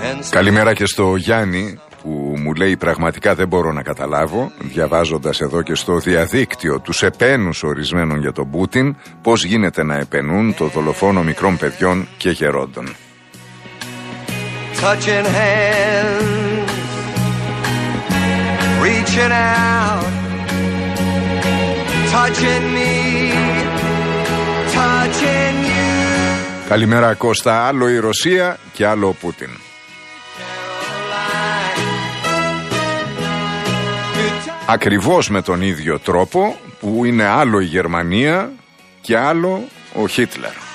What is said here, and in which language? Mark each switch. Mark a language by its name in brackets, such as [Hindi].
[Greek] Καλημέρα και στο Γιάννη που μου λέει πραγματικά δεν μπορώ να καταλάβω, διαβάζοντας εδώ και στο διαδίκτυο τους επένους ορισμένων για τον Πούτιν, πώς γίνεται να επαινούν το δολοφόνο μικρών παιδιών και γερόντων. [English] Touching hands, reaching out, touching me, touching you. [Greek] Καλημέρα Κώστα, άλλο η Ρωσία και άλλο ο Πούτιν. Ακριβώς με τον ίδιο τρόπο που είναι άλλο η Γερμανία και άλλο ο Χίτλερ.